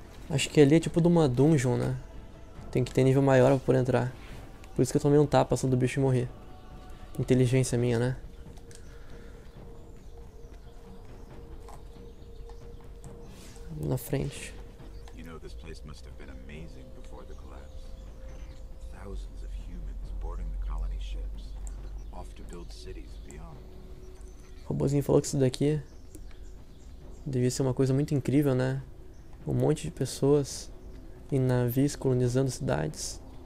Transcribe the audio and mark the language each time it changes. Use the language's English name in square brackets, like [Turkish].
[Portuguese] Acho que ali é tipo de uma dungeon, né? Tem que ter nível maior pra poder entrar. Por isso que eu tomei um tapa só do bicho e morri. Inteligência minha, né? Na frente. Você sabe que esse lugar deve ter sido maravilhoso antes do colapso. [English] Thousands of humans boarding the colony ships. Off to build cities beyond. [Portuguese] O robôzinho falou que isso daqui devia ser uma coisa muito incrível, né? Um monte de pessoas em navios colonizando cidades.